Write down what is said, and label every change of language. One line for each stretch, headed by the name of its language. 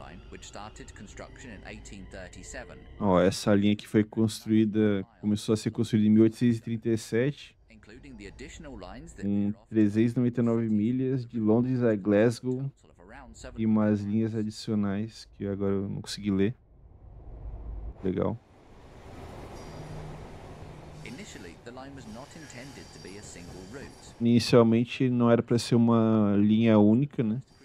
English: Which started construction in 1837.
Portuguese: Ó, essa linha que foi construída, começou a ser construída em 1837.
English: Including the additional lines that
Portuguese: 399 milhas de Londres a Glasgow e umas linhas adicionais que agora eu não consegui ler. Legal.
English: Initially, the line was not intended to be a single route.
Portuguese: Inicialmente não era para ser uma linha única, né?